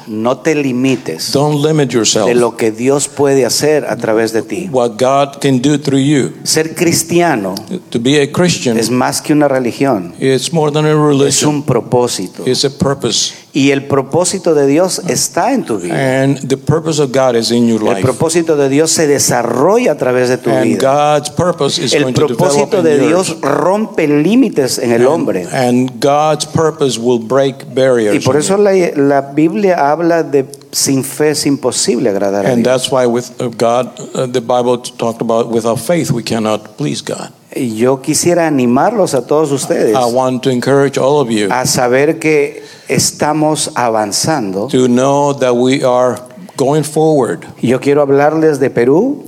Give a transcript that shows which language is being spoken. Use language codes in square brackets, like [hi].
[es] No te limites. [en] Don't limit yourself. [es] De lo que Dios puede hacer a través de ti. [en] What God can do through you. [es] Ser cristiano. [en] To be a Christian. [es] Es más que una religión. [en] It's more than a religion. [es] Es un propósito. [en] It's a purpose. [es] Y el propósito de Dios está en tu vida. [en] And the purpose of God is in your life. [es] El propósito de Dios se desarrolla a través de tu [en] and [es] vida. [en] And God's purpose is [es] el [en] going to develop in [es] your. El propósito de Dios rompe límites en el hombre. [en] And God's purpose will break barriers. [es] Y por eso la Biblia habla de sin fe es imposible agradar a Dios. [en] And that's why with God, the Bible talked about without faith we cannot please God. [es] Yo quisiera animarlos a todos ustedes. [en] I want to encourage all of you. [es] A saber que estamos avanzando. [en] To know that we are going forward. [es] Yo quiero hablarles de Perú.